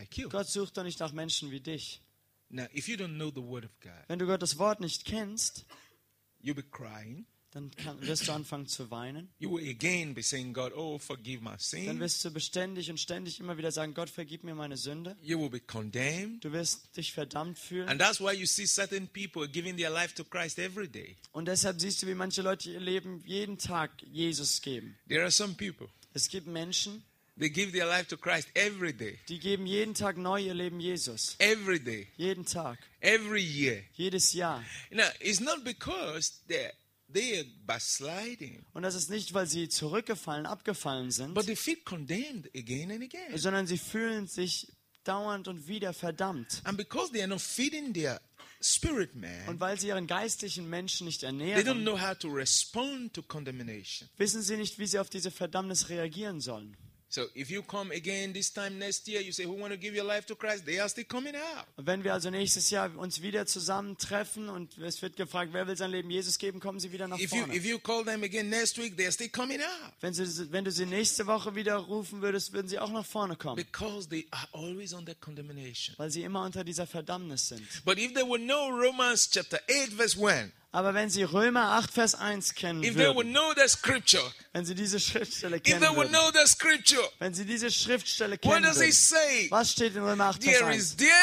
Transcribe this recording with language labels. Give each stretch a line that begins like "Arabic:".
German: Gott sucht doch nicht nach Menschen wie dich. Wenn du Gottes Wort nicht kennst,
English: you'll be crying.
German: Dann wirst du anfangen zu weinen.
English: You will again be saying, God, oh, forgive my sin.
German: Dann wirst du beständig und ständig immer wieder sagen, Gott, vergib mir meine Sünde.
English: You will be condemned.
German: Du wirst dich verdammt fühlen.
English: And that's why you see certain people giving their life to Christ every day.
German: Und deshalb siehst du, wie manche Leute ihr Leben jeden Tag Jesus geben.
English: There are some people.
German: Es gibt Menschen.
English: They give their life to Christ every day.
German: Die geben jeden Tag neu ihr Leben Jesus.
English: Every day.
German: Jeden Tag.
English: Every year.
German: Jedes Jahr.
English: Now, it's not because they are backsliding.
German: Und das ist nicht, weil sie zurückgefallen, abgefallen sind.
English: But they feel condemned again and again.
German: Sondern sie fühlen sich dauernd und wieder verdammt.
English: And because they are not feeding their spirit man.
German: Und weil sie ihren geistlichen Menschen nicht ernähren.
English: They don't know how to respond to condemnation.
German: Wissen sie nicht, wie sie auf diese Verdammnis reagieren sollen?
English: So if you come again this time next year, you say, who want to give your life to Christ? They are still coming out.
German: Wenn wir also nächstes Jahr uns wieder zusammentreffen und es wird gefragt, wer will sein Leben Jesus geben, kommen sie wieder nach vorne.
English: If you call them again next week, they are still coming out.
German: Wenn du sie nächste Woche wieder rufen würdest, würden sie auch nach vorne kommen.
English: Because they are always under condemnation.
German: Weil sie immer unter dieser Verdammnis sind.
English: But if there were no Romans chapter 8 verse 1.
German: Aber wenn sie Römer 8, Vers 1 kennen würden, wenn sie diese Schriftstelle kennen würden, wenn sie diese Schriftstelle kennen würden, was steht in Römer 8, Vers 1?